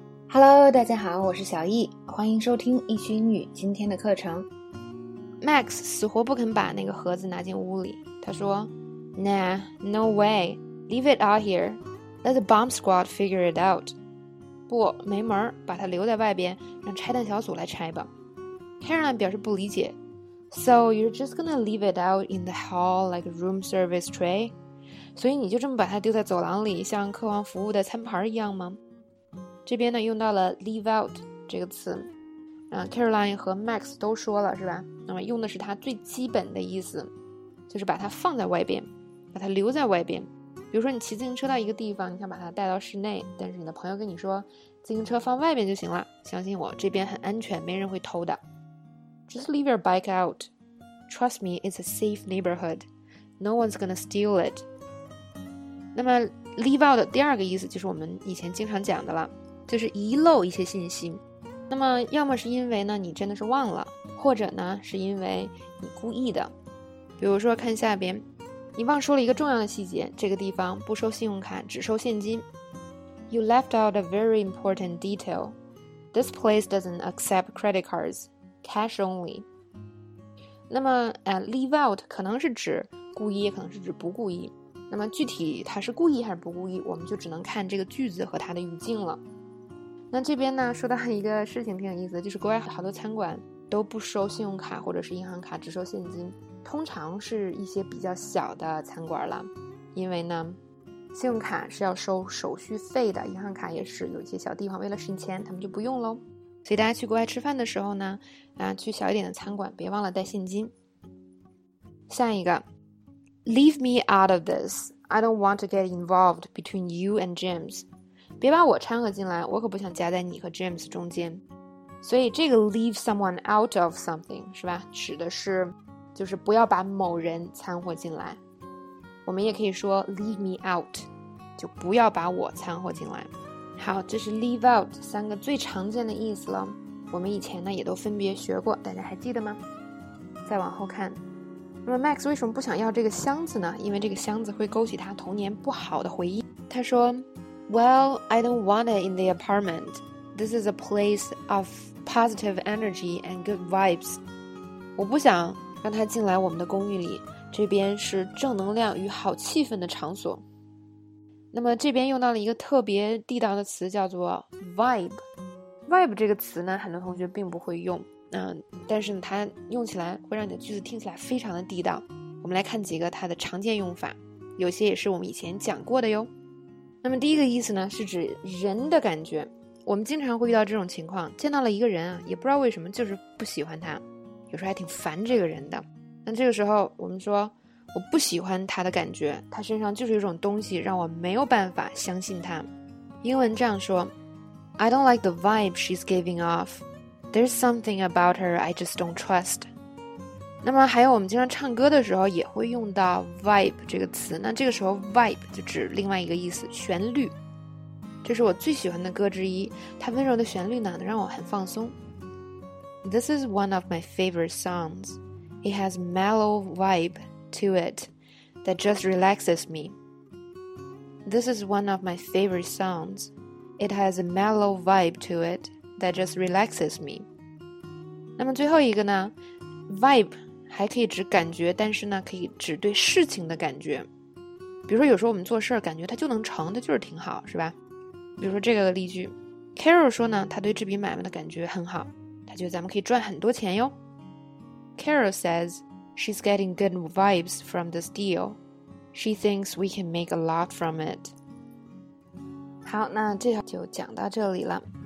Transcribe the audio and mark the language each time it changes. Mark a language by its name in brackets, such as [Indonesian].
[Chinese] Hello， 大家好，我是小易，欢迎收听易趣英语今天的课程。 Max 死活不肯把那个盒子拿进屋里，他说 [English] Nah, no way, leave it out here, let the bomb squad figure it out. [Chinese] 不，没门，把它留在外边，让拆弹小组来拆吧。 Caroline 表示不理解， [English] So you're just gonna leave it out in the hall like a room service tray? [Chinese] 所以你就这么把它丢在走廊里，像客房服务的餐盘一样吗？这边呢用到了 leave out 这个词，Caroline 和 Max 都说了是吧，那么用的是它最基本的意思，就是把它放在外边，把它留在外边。比如说你骑自行车到一个地方，你想把它带到室内，但是你的朋友跟你说自行车放外边就行了，相信我，这边很安全，没人会偷的。 [English] Just leave your bike out. Trust me, it's a safe neighborhood. No one's gonna steal it. [Chinese] 那么 leave out 的第二个意思就是我们以前经常讲的了，就是遗漏一些信息。那么要么是因为呢你真的是忘了，或者呢是因为你故意的。比如说看下边，你忘说了一个重要的细节，这个地方不收信用卡，只收现金。 [English] You left out a very important detail. This place doesn't accept credit cards, cash only. [Chinese] 那么leave out 可能是指故意，也可能是指不故意。那么具体它是故意还是不故意，我们就只能看这个句子和它的语境了。那这边呢说到一个事情挺有意思的，就是国外好多餐馆都不收信用卡或者是银行卡，只收现金，通常是一些比较小的餐馆了，因为呢信用卡是要收手续费的，银行卡也是，有一些小地方为了省钱他们就不用喽。所以大家去国外吃饭的时候呢去小一点的餐馆别忘了带现金。下一个， [English] Leave me out of this. I don't want to get involved between you and James. [Chinese] 别把我掺和进来，我可不想夹在你和 James 中间。所以这个 leave someone out of something 是吧，指的是就是不要把某人掺和进来。我们也可以说 leave me out， 就不要把我掺和进来。好，这是 leave out 三个最常见的意思了，我们以前呢也都分别学过，大家还记得吗？再往后看，那么 Max 为什么不想要这个箱子呢？因为这个箱子会勾起他童年不好的回忆。他说 [English] Well, I don't want it in the apartment. This is a place of positive energy and good vibes. [Chinese] 我不想让他进来我们的公寓里，这边是正能量与好气氛的场所。那么这边用到了一个特别地道的词，叫做 vibe。 Vibe 这个词呢很多同学并不会用，但是它用起来会让你的句子听起来非常的地道。我们来看几个它的常见用法，有些也是我们以前讲过的哟。那么第一个意思呢是指人的感觉，我们经常会遇到这种情况，见到了一个人啊，也不知道为什么就是不喜欢他，有时候还挺烦这个人的。那这个时候我们说我不喜欢他的感觉，他身上就是有种东西让我没有办法相信他。 [English] 英文这样说， I don't like the vibe she's giving off. There's something about her I just don't trust. [Chinese] 那么还有我们经常唱歌的时候也会用到 vibe 这个词，那这个时候 vibe 就指另外一个意思，旋律。这是我最喜欢的歌之一，它温柔的旋律呢能让我很放松。 [English] This is one of my favorite songs. It has mellow vibe to it that just relaxes me. This is one of my favorite songs. It has a mellow vibe to it that just relaxes me. [Chinese] 那么最后一个呢，Vibe 还可以指感觉，但是呢可以指对事情的感觉。比如说有时候我们做事感觉它就能成，它就是挺好是吧。比如说这个例句， Carol 说呢他对这笔买卖的感觉很好，他觉得咱们可以赚很多钱哟。 [English] Carol says she's getting good vibes from this deal. She thinks we can make a lot from it. [Chinese] 好，那这就讲到这里了。